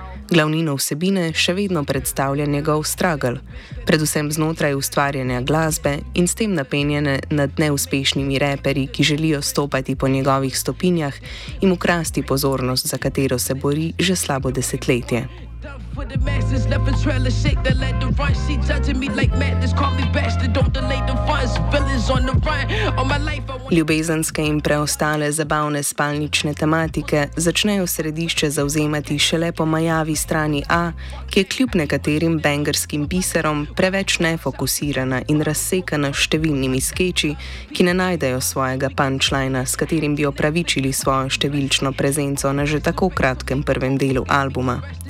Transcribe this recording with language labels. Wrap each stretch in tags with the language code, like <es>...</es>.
<sl>Glavnino vsebine še vedno predstavlja njegov struggle, predvsem znotraj ustvarjanja glasbe in s tem napenjene nad neuspešnimi reperi, ki želijo stopati po njegovih stopinjah in ukrasti pozornost, za katero se bori že slabo desetletje.</sl> <en>With the masses left a trail of shit that led the rush. She judging me like madness, call me bastard. Don't delay the fuss, villains on the run. All my life.</en> <sl>Ljubezenske in preostale zabavne spalnične tematike začnejo središče zauzemati šele po majavi strani A, ki je kljub nekaterim bangerskim biserom preveč nefokusirana in razsekana s številnimi skeči, ki ne najdejo svojega punchlina, s katerim bi opravičili svojo številčno prezenco na že tako kratkem prvem delu albuma.</sl>